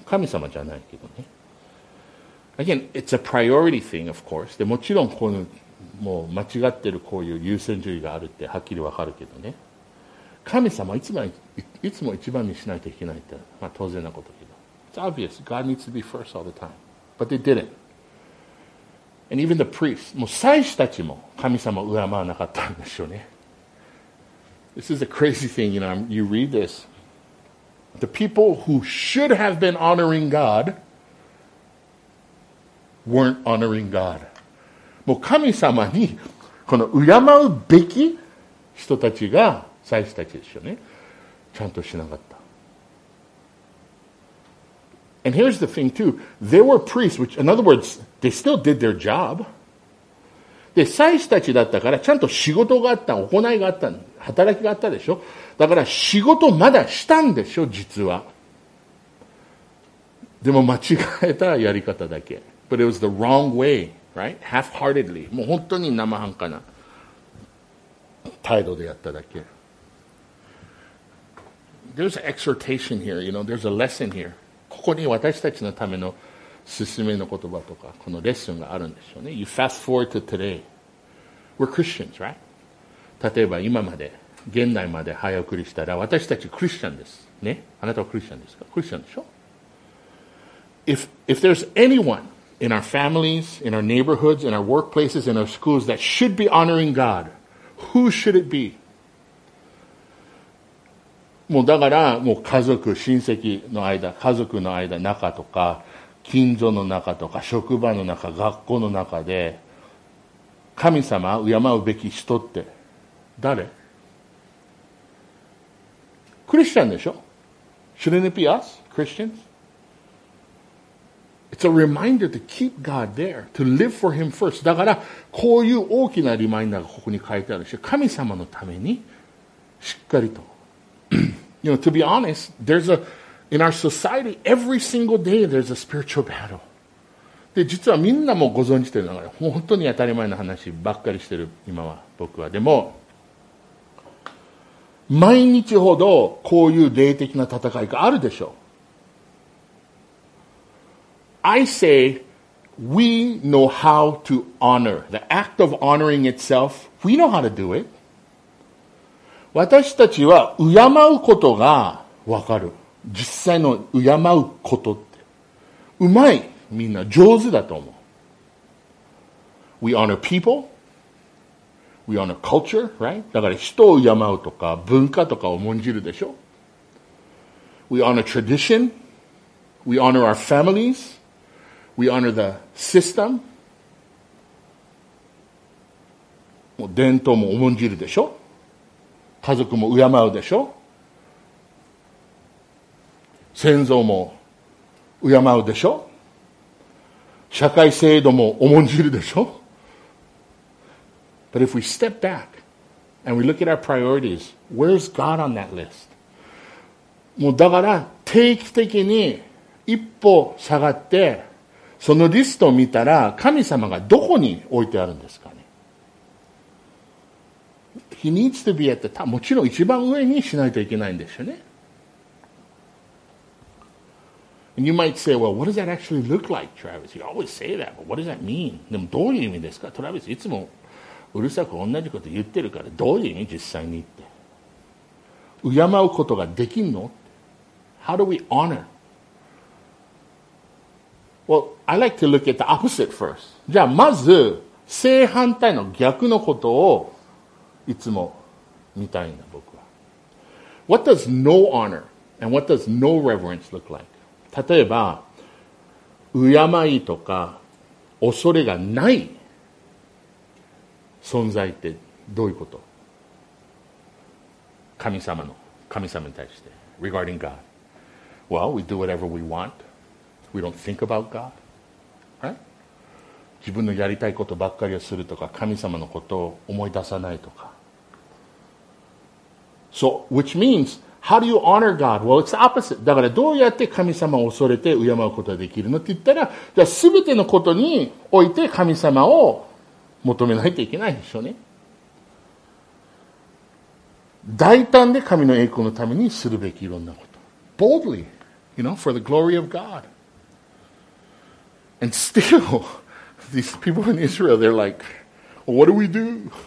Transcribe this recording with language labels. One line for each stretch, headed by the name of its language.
Japanese: 神様じゃないけどね。
English: Again, it's a priority thing, of course.
Japanese: でもちろんこのもう間違ってるこういう優先順位があるってはっきりわかるけどね。神様いつも一番にしないといけないって、まあ、当然なことけど。
English: It's obvious. God needs to be first all the time. But they didn't. And even the priests,
Japanese: もう祭司たちも神様を敬わなかったんでしょうね。
English: This is a crazy thing, you know, you read this. The people who should have been honoring God weren't honoring God.
Japanese: もう神様にこの敬うべき人たちが祭司たちですよね。ちゃんとしなかった。
English: And here's the thing too. They were priests, which in other words, they still did their job.
Japanese: で、祭司たちだったからちゃんと仕事があった、行いがあった、働きがあったでしょ。だから仕事まだしたんでしょ、実は。でも間違えたやり方だけ。
English: But it was the wrong way, right? Half-heartedly.
Japanese: もう本当に生半可な態度でやっただけ。
English: There's an exhortation here, you know, there's a lesson here.
Japanese: ここに私たちのための勧めの言葉とか、このレッスンがあるんでしょうね。
English: You fast forward to today. We're Christians, right?
Japanese: 例えば今まで、現代まで早送りしたら、私たちクリスチャンです。ね。あなたはクリスチャンですか？クリスチャンでしょ？
English: If there's anyone in our families, in our neighborhoods, in our workplaces, in our schools that should be honoring God, who should it be?
Japanese: もうだから、もう家族、親戚の間、家族の間、中とか、近所の中とか、職場の中、学校の中で、神様を敬うべき人って、誰？クリスチャンでしょ
English: ?Shouldn't it be us, Christians? It's a reminder to keep God there, to live for Him first.
Japanese: だから、こういう大きなリマインダーがここに書いてあるし、神様のために、しっかりと。
English: You know, to be honest, there's a, in our society, every single day, there's a spiritual battle.
Japanese: で、実はみんなもご存知というのが、本当に当たり前の話ばっかりしてる、今は、僕は。でも、毎日ほどこういう霊的な戦いがあるでしょう。
English: I say, we know how to honor. The act of honoring itself, we know how to do it.
Japanese: 私たちは敬うことがわかる。実際の敬うことって。うまい。みんな上手だと思う。
English: We honor people. We honor culture, right?
Japanese: だから人を敬うとか文化とかを重んじるでしょ。
English: We honor tradition. We honor our families. We honor the system.
Japanese: もう伝統も重んじるでしょ。家族も敬うでしょ。先祖も敬うでしょ。社会制度も重んじるでしょ。
English: But if we step back and we look at our priorities, where's God on that list?
Japanese: もうだから定期的に一歩下がってそのリストを見たら神様がどこに置いてあるんですかね。
English: He needs to be at the top.
Japanese: もちろん一番上にしないといけないんですよね。
English: And you might say, well, what does that actually look like, Travis? You always say that, but what does that mean?
Japanese: でもどういう意味ですか ?Travis, いつもうるさく同じこと言ってるから、どういう意味実際にって。敬うことができんの ?
English: How do we honor? Well, I like to look at the opposite first.
Japanese: じゃあまず、正反対の逆のことをいつも見たいんだ、僕は。
English: What does no honor and what does no reverence look like?
Japanese: 例えば、敬いとか恐れがない存在ってどういうこと？神様の、神様に対して。
English: Regarding God. Well, we do whatever we want. We don't think about God. Right?
Japanese: 自分のやりたいことばっかりをするとか、神様のことを思い出さないとか。
English: So, which means, how do you honor God? Well, it's the opposite.
Japanese: だからどうやって神様を恐れて敬うことができるのって言ったら、じゃあ全てのことにおいて神様を求めないといけないでしょうね。大胆で神の栄光のためにするべきいろんなこと。
English: Boldly, you know, for the glory of God. And still, these people in Israel, they're like, well, what do we do?